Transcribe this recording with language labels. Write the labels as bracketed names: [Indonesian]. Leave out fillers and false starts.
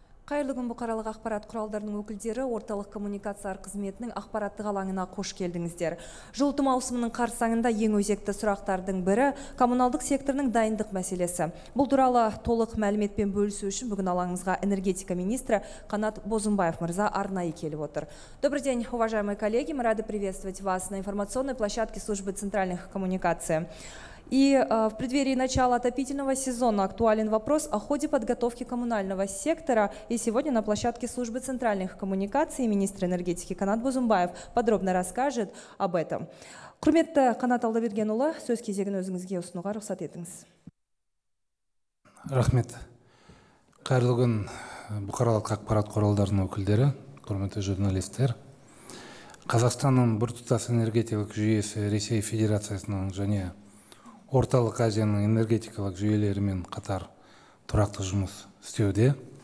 [Kazakh] Қайырлы күн, бұқаралық ақпарат құралдарының өкілдері, орталық коммуникациялар қызметінің ақпараттық алаңына қош келдіңіздер. Жылыту маусымының қарсаңында ең өзекті сұрақтардың бірі коммуналдық секторының дайындық мәселесі. Бұл туралы толық мәліметпен бөлісу үшін бүгін алаңымызға энергетика министрі Қанат Бозымбаев мырза арнайы келіп отыр. [Russian] Добрый день, уважаемые коллеги, мы рады приветствовать вас на информационной площадке службы центральных коммуникаций. И в преддверии начала отопительного сезона актуален вопрос о ходе подготовки коммунального сектора. И сегодня на площадке службы центральных коммуникаций министр энергетики Канат Бозымбаев подробно расскажет об этом. [Kazakh] Құрметті Канат Алдабергенұлы, сөз кезегін өзіңізге ұсынуға рұқсат етіңіз. Рахмет. Қайырлы күн, бұқаралық ақпарат құралдарының өкілдері, құрметті журналистер. Қазақстанның біртұтас энергетикалық жүйесі Ресей Федерациясының және Орталық Азияның энергетикалық жүйелерімен қатар тұрақты жұмыс істеуде.